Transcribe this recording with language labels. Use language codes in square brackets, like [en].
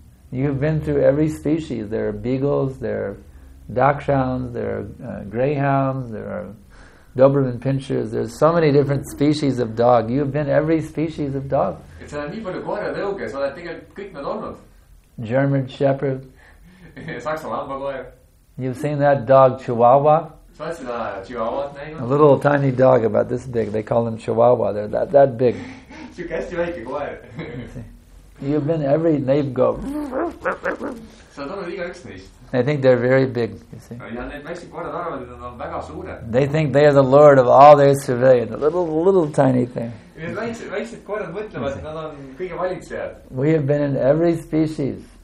[en] You've been through every species. There are beagles, there are dachshunds, there are greyhounds, there are Doberman Pinschers, there's so many different species of dog. You've been every species of dog. [et] Et sa nii palju koera tõuge, sa oled tegelikult kõik nad olnud. [en] German Shepherd. [et] Saksa lambakoer. [en] You've seen that dog Chihuahua. [et] Sa oled seda Chihuahua näinud. [en] A little tiny dog about this big. They call them Chihuahua. They're that big. [et] See on hästi väike koer. [en] You've been every name go. [et] Sa oled olnud iga üks neist. [en] They think they're very big, you see. [et] Ja need väiksi koerad arvavad, et nad on väga suured. [en] They think they are the lord of all their civilians. A little tiny thing. [et] Need väiksi koerad mõtlevad, et nad on kõige valitsejad. [en] We have been in every species.